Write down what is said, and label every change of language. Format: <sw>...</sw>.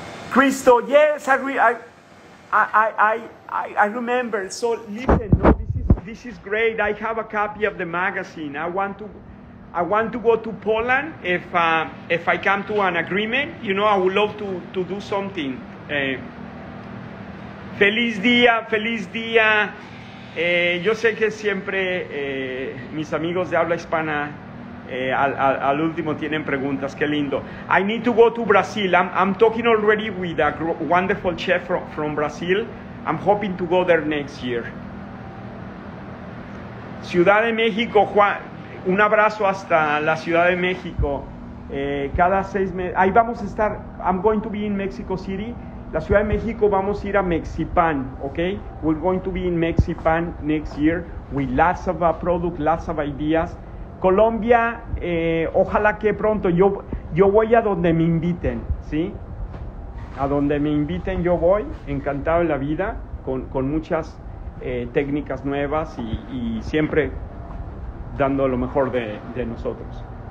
<en>Cristo, yes, I remember. So listen, no, this is great. I have a copy of the magazine. I want to go to Poland if I come to an agreement. You know, I would love to do something.</en> <es>Feliz día. Yo sé que siempre mis amigos de habla hispana Al último tienen preguntas, qué lindo.</es> <en>I need to go to Brazil. I'm talking already with a wonderful chef from Brazil. I'm hoping to go there next year.</en> <es>Ciudad de México, Juan, un abrazo hasta la Ciudad de México. Cada seis meses, ahí vamos a estar.</es> <en>I'm going to be in Mexico City.</en> <es>La Ciudad de México, vamos a ir a Mexipan, okay?</es> <en>We're going to be in Mexipan next year with lots of product, lots of ideas.</en> <es>Colombia, ojalá que pronto, yo voy a donde me inviten, ¿sí? A donde me inviten yo voy, encantado en la vida, con muchas técnicas nuevas y siempre dando lo mejor de nosotros.</es>